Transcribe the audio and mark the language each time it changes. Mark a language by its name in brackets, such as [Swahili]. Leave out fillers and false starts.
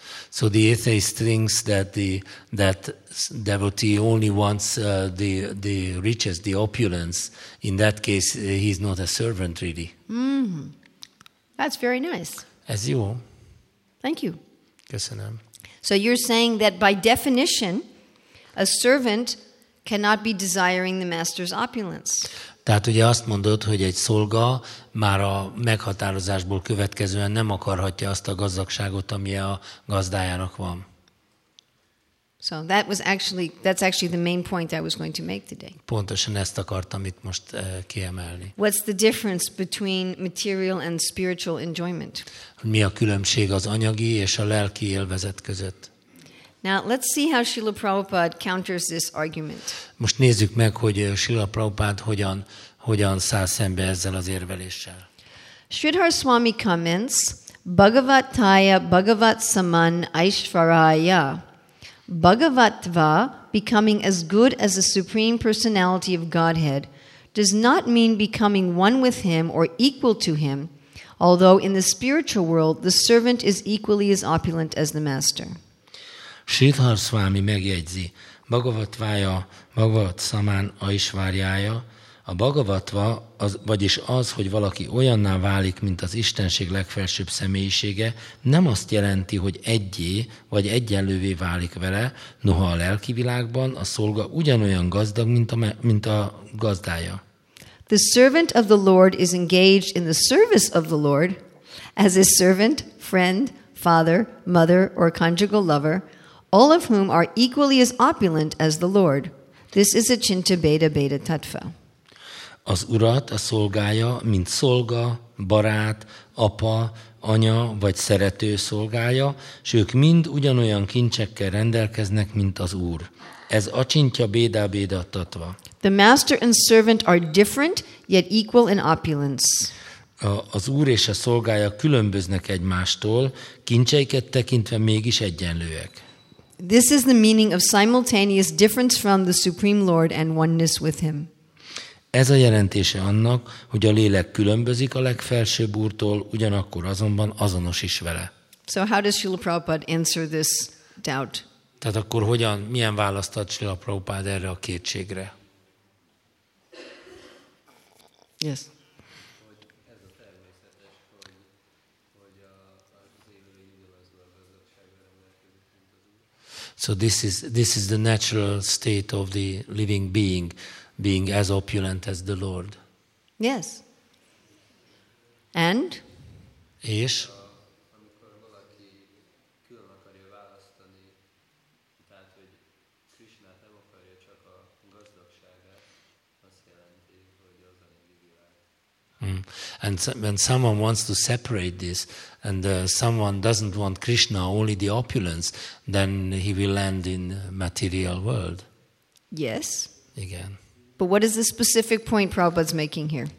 [English] So the atheist thinks that that devotee only wants the riches, the opulence. In that case, he's not a servant, really. Mm-hmm. That's very nice. As you will. Thank you. [Hungarian] Köszönöm. [English] So you're saying that by definition, a servant cannot be desiring the master's opulence. [Hungarian] Tehát ugye azt mondod, hogy egy szolga már a meghatározásból következően nem akarhatja azt a gazdagságot, ami a gazdájának van. [English] So that's actually the main point I was going to make today. [Hungarian] Pontosan ezt akartam itt most kiemelni. [English] What's the difference between material and spiritual enjoyment? [Hungarian] Mi a különbség az anyagi és a lelki élvezet között? [English] Now let's see how Srila Prabhupada counters this argument. [Hungarian] Most nézzük meg, hogy Srila Prabhupada hogyan száll szembe ezzel az érveléssel. [English] Sridhar Swami comments, Bhagavataya Bhagavat Saman Aishvaraya. Bhagavatva, becoming as good as the Supreme Personality of Godhead, does not mean becoming one with him or equal to him, although in the spiritual world, the servant is equally as opulent as the master. [Hungarian] Sridhar Swami megjegyzi, Bhagavatvája, Bhagavat Samán, Aishvárjája, a Bhagavatva, az, vagyis az, hogy valaki olyanná válik, mint az Istenség legfelsőbb személyisége, nem azt jelenti, hogy egyé vagy egyenlővé válik vele, noha a lelki világban a szolga ugyanolyan gazdag, mint a gazdája. [English] The servant of the Lord is engaged in the service of the Lord as a servant, friend, father, mother, or conjugal lover, all of whom are equally as opulent as the Lord. This is a Chinta Beda Beda Tattva. [Hungarian] Az urat, a szolgája, mint szolga, barát, apa, anya vagy szerető szolgája, s ők mind ugyanolyan kincsekkel rendelkeznek, mint az Úr. Ez acintya bédá bédá tatva. [English] The master and servant are different, yet equal in opulence. [Hungarian] Az Úr és a szolgája különböznek egymástól, kincseiket tekintve mégis egyenlőek. [English] This is the meaning of simultaneous difference from the Supreme Lord and oneness with him. [Hungarian] Ez a jelentése annak, hogy a lélek különbözik a legfelsőbb úrtól, ugyanakkor azonban azonos is vele. [English] So how does Srila Prabhupada answer this doubt? [Hungarian] Tehát akkor hogyan, milyen választ ad Srila Prabhupada erre a kétségre? [English] Yes. So this is the natural state of the living being. Being as opulent as the Lord. Yes. And? [Hungarian] És? Amikor valaki külön akarja választani, tehát, hogy Krisnát nem akarja, csak a gazdagságát, azt jelenti, hogy az a nyilvány. [English] And so, when someone wants to separate this, and someone doesn't want Krishna, only the opulence, then he will land in material world. Yes. Again. But what is the specific point Prabhupada's making here?